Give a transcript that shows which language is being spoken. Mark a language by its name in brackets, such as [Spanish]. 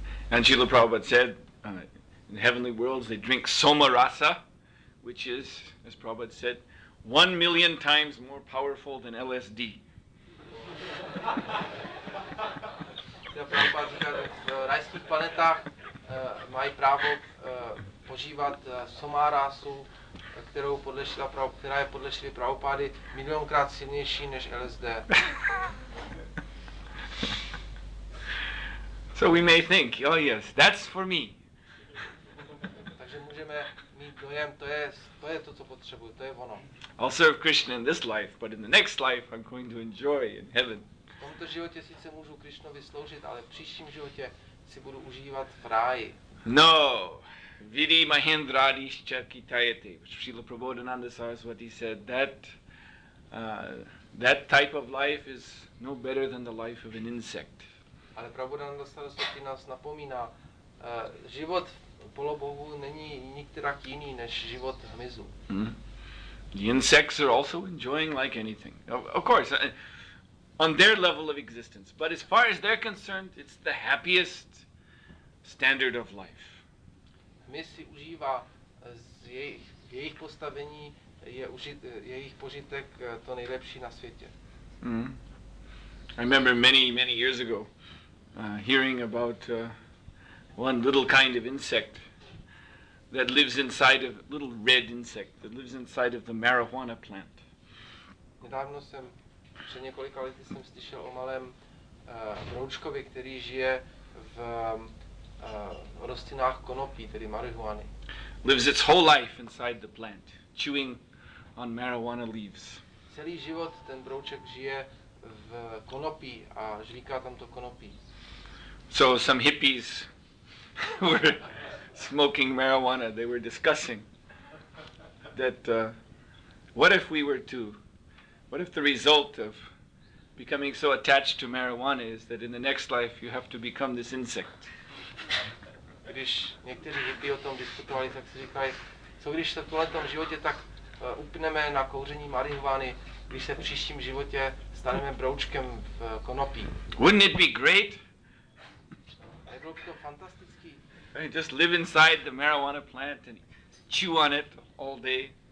[English] And Srila Prabhupada said, in heavenly worlds they drink soma rasa, which is, as Prabhupada said, 1,000,000 times more powerful than LSD. [Czech] Prabhupada říká, že v rajských planetách mají právo požívat somarásu, která je podle Šrily Prabhupády 1,000,000krát silnější než LSD. [English] So we may think, oh yes, that's for me. [Czech] Takže můžeme mít dojem, to je to, co potřebuji, to je ono. [English] I'll serve Krishna in this life, but in the next life I'm going to enjoy in heaven. [Czech] V tomto životě sice můžu Krishnovi sloužit, ale v příštím životě si budu užívat v ráji. [English] No, [Sanskrit] vidi mahendradischa kitayate, [English] which Srila Prabodhananda Saraswati said, that type of life is no better than the life of an insect. [Czech] Ale Prabodhananda Saraswati nás napomíná, život polobohu není nikterak jiný než život hmyzu. [English] Mm. The insects are also enjoying like anything. Of course, on their level of existence. But as far as they're concerned, it's the happiest standard of life. [Czech] Hmyz si užívá jejich postavení, jejich požitek to nejlepší na světě. Mm. [English] I remember many, many years ago hearing about one little kind of insect that lives inside of, little red insect, that lives inside of the marijuana plant. [Czech] Nedávno jsem, před několika lety jsem slyšel o malém broučkovi, který žije v rostlinách konopí, tedy marihuany. [English] Lives its whole life inside the plant, chewing on marijuana leaves. [Czech] Celý život ten brouček žije v konopí a žlíká tam to konopí. [English] So some hippies were smoking marijuana. They were discussing that what if the result of becoming so attached to marijuana is that in the next life you have to become this insect. [Czech] Když někteří hippie o tom diskutovali, tak si říkají, co když se v tomhletom životě tak upneme na kouření marihuany, když se v příštím životě staneme broučkem v konopí. [English] Wouldn't it be great? [Czech] Nebylo by to fantastický? [English] Hey, just live inside the marijuana plant and chew on it all day.